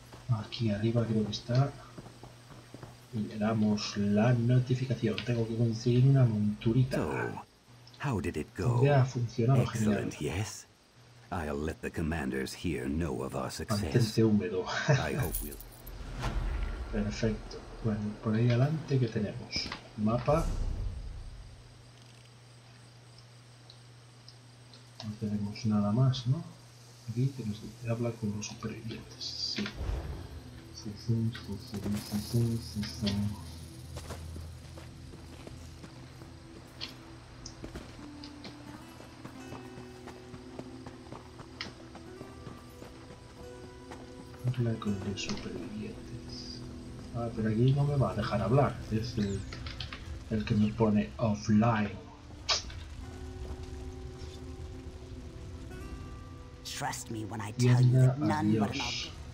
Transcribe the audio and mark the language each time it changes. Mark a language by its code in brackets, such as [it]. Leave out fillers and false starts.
[es] Aquí arriba creo que está. Y le damos la notificación. Tengo que conseguir una monturita. [en] How did it go? [es] Ya ha funcionado, [en] excellent, yes. I'll let the commanders here know of our success. [es] Mantente húmedo. [en] I hope we'll... [es] Perfecto. Bueno, por ahí adelante, ¿qué tenemos? Mapa. No tenemos nada más, ¿no? Aquí tenemos que hablar con los supervivientes. Sí. Fufum, fufum, fufum, fufum. Hablar con los supervivientes. Ah, pero aquí no me va a dejar hablar. Es el que me pone offline. [en] Trust me when I tell you that none but love.